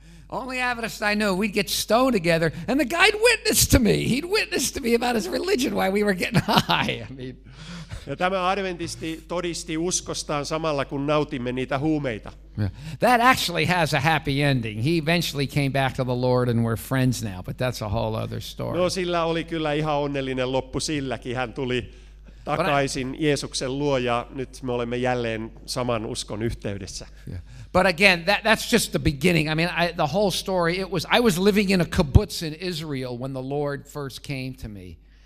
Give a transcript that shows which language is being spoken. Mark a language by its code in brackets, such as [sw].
[en] Only Adventist I knew, we'd get stoned together, and the guy'd witness to me. He'd witness to me about his religion while we were getting high. I mean. [fi] Ja tämä adventisti todisti uskostaan samalla, kun nautimme niitä huumeita. [en] Yeah. That actually has a happy ending. He eventually came back to the Lord and we're friends now, but that's a whole other story. [fi] No, sillä oli kyllä ihan onnellinen loppu silläkin. Hän tuli takaisin Jeesuksen luo ja nyt me olemme jälleen saman uskon yhteydessä. [en] Yeah. But again, that's just the beginning. I mean, the whole story, I was living in a kibbutz in Israel when the Lord first came to me.